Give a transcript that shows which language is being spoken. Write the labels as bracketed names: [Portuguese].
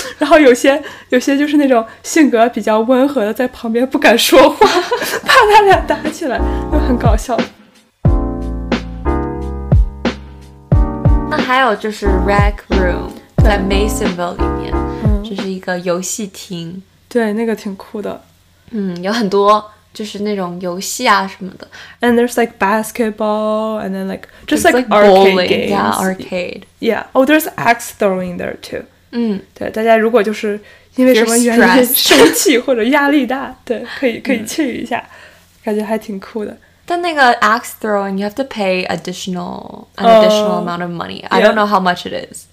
[Chinese] 然后有些就是那种性格比较温和的在旁边不敢说话，怕他俩打起来，就很搞笑。那还有就是 Rec Room 在 Masonville 里面，这是一个游戏厅，对，那个挺酷的。嗯，有很多就是那种游戏啊什么的。 [English] And there's like basketball, and then like just it's like bowling, games. Yeah, arcade. Yeah. Oh, there's axe throwing there too. 嗯， [Chinese] 对，大家如果就是因为什么原因生气或者压力大，对，可以去一下、嗯，感觉还挺酷的。但那个 [English] axe throwing, you have to pay an additional amount of money. Yeah. I don't know how much it is.